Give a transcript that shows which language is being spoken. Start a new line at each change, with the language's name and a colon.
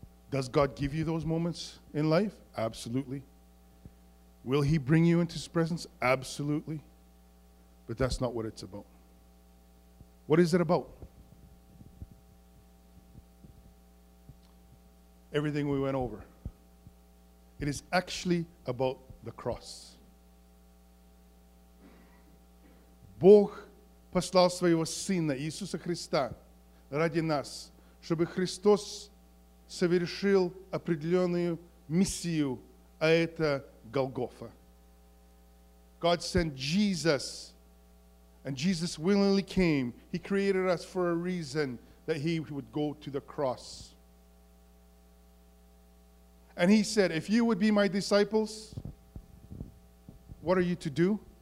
English: Does God give you those moments in life? Absolutely. Will he bring you into his presence? Absolutely. But that's not what it's about. What is it about? Everything we went over. It is actually about the cross.
Russian: Бог послал своего Сына, Иисуса Христа, ради нас, чтобы Христос совершил определенную миссию, а это Голгофа.
English: God sent Jesus, and Jesus willingly came. He created us for a reason, that he would go to the cross. And he said, if you would be my disciples, what are you to do?